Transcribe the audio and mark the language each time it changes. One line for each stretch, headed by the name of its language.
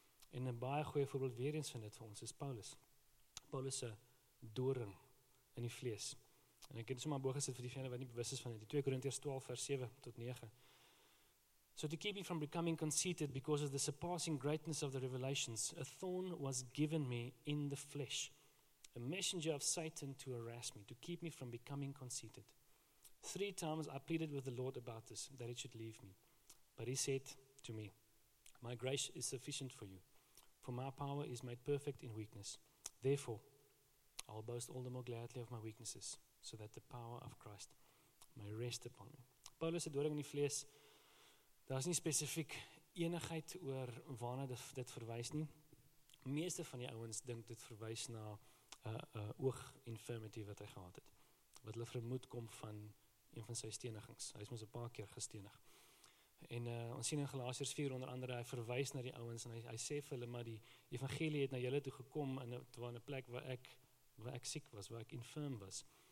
Afrikaans: En 'n baie goeie voorbeeld weer eens van dit vir ons is Paulus. Paulus se doring in die vlees. En ek het so maar boog gesit vir die vene wat nie bewus is van het, die 2 Korintiërs 12 vers 7 tot 9.
English: "So to keep me from becoming conceited because of the surpassing greatness of the revelations, a thorn was given me in the flesh, a messenger of Satan to harass me, to keep me from becoming conceited. 3 times I pleaded with the Lord about this, that it should leave me. But he said to me, 'My grace is sufficient for you, for my power is made perfect in weakness. Therefore, I will boast all the more gladly of my weaknesses, so that the power of Christ may rest upon me."
Afrikaans: Paulus het doring in die vlees, daar is nie spesifiek enigheid oor waarna dit verwys nie. Meeste van die ouens dink dit verwys na oog infirmity wat hy gehad het, wat hulle vermoed kom van een van sy stenigings. Hy is ons 'n paar keer gestenig. En ons sien in Galasiërs 4 onder andere, hy verwys na die ouens en hy sê vir hulle, maar die evangelie het na julle toe gekom in een plek waar ek siek was, waar ek infirm was.